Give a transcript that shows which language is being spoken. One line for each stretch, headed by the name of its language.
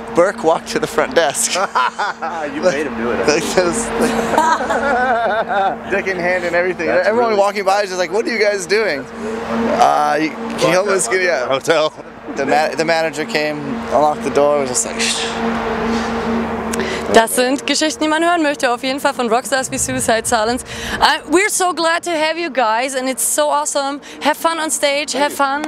English: Burke walked to the front desk. You made him do it. Dick in hand and everything. That's everyone really walking by is just like, "What are you guys doing?" He almost get out. Hotel. The manager came, unlocked the door, was just like. Shh.
German: Das sind Geschichten, die man hören möchte, auf jeden Fall von Rockstars wie Suicide Silence.
English: We're so glad to have you guys, and it's so awesome. Have fun on stage, have fun.